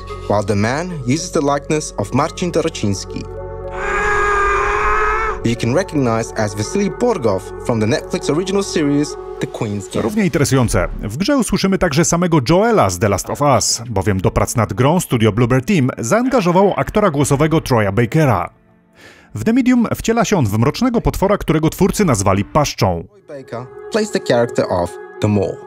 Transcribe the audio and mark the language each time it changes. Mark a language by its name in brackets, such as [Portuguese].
[English] While the man uses the likeness of Marcin Dorociński, you can recognize as Vasily Borgov from the Netflix original series The Queen's Gambit. [Polish] Równie interesujące, w grze usłyszymy także samego Joela z The Last of Us, bowiem do prac nad grą studio Bloober Team zaangażowało aktora głosowego Troya Bakera. W The Medium wciela się on w mrocznego potwora, którego twórcy nazwali Paszczą. [English] Troy Baker plays the character of The Mole.